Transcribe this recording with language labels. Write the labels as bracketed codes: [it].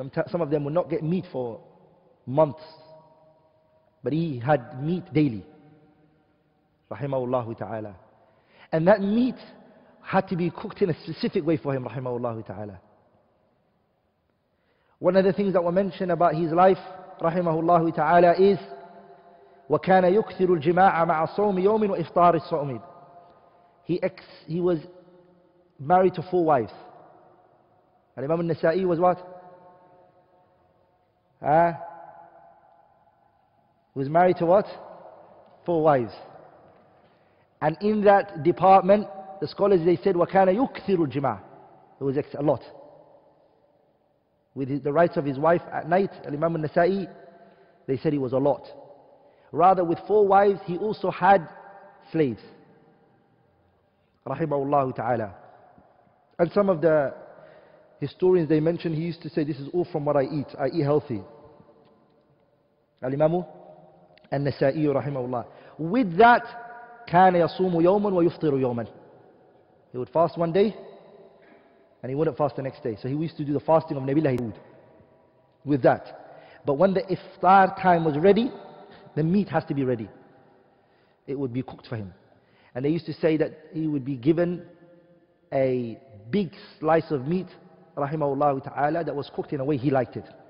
[en] Some of them would not get meat for months, but he had meat daily, rahimahullah ta'ala. And that meat had to be cooked in a specific way for him, rahimahullah ta'ala. One of the things that were mentioned about his life, rahimahullah ta'ala, is [ar] وكان يكثر الجماع مع صوم يوم وإفطار الصوم. [en] He was married to four wives. الإمام النسائي was what? Was married to what? Four wives. And in that department, the scholars, they said, [ar] وَكَانَ يُكْثِرُ الْجِمَعَ. [en] It was a lot. With the rights of his wife at night, Imam al-Nasa'i, they said he was a lot. Rather, with four wives, he also had slaves. [ar] رَحِمَهُ اللَّهُ تَعَالَى. [en] And some of the historians, they mentioned, he used to say, this is all from what I eat healthy. [ar] Al-Imamu al-Nasa'i, رَحِمَهُ اللَّهُ. [en] With that, [ar] كَانَ يَصُومُ يَوْمًا وَيُفْطِرُ يَوْمًا. [en] He would fast one day, and he wouldn't fast the next day. So he used to do the fasting of Nabilah Hud with that. But when the iftar time was ready, the meat has to be ready. It would be cooked for him. And they used to say that he would be given a big slice of meat, rahimahullah ta'ala, that was cooked in a way he liked it.